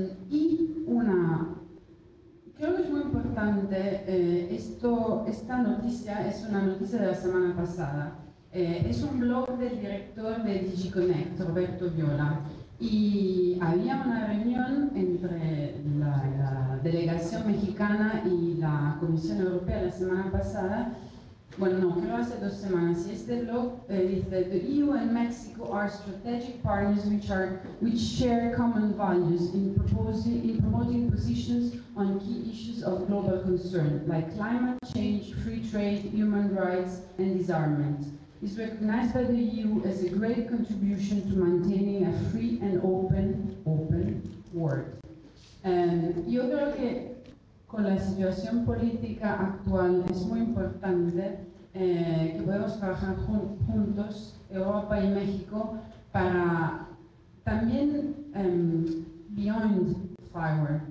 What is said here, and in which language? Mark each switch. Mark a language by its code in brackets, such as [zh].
[es] Y una, creo que es muy importante, esta noticia es una noticia de la semana pasada. Es un blog del director de DigiConnect, Roberto Viola. Y había una reunión entre la delegación mexicana y la Comisión Europea la semana pasada. Bueno, no, creo hace dos semanas. Y este blog dice: [en] "The EU and Mexico are strategic partners which share common values in promoting positions on key issues of global concern, like climate change, free trade, human rights, and disarmament. Is recognized by the EU as a great contribution to maintaining a free and open world." [es] Yo creo que con la situación política actual es muy importante que podamos trabajar juntos, Europa y México, para también [en] beyond Fiverr.